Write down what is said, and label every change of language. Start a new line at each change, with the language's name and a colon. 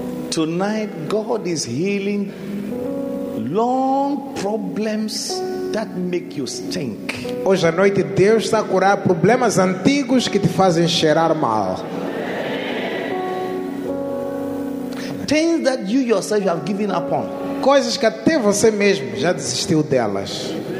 English: Tonight, God is healing long problems that make you stink.
Portuguese: Hoje à noite, Deus está a curar problemas antigos que te fazem cheirar mal.
English: Things that you yourself have given up on.
Portuguese: Coisas que até você mesmo já desistiu delas.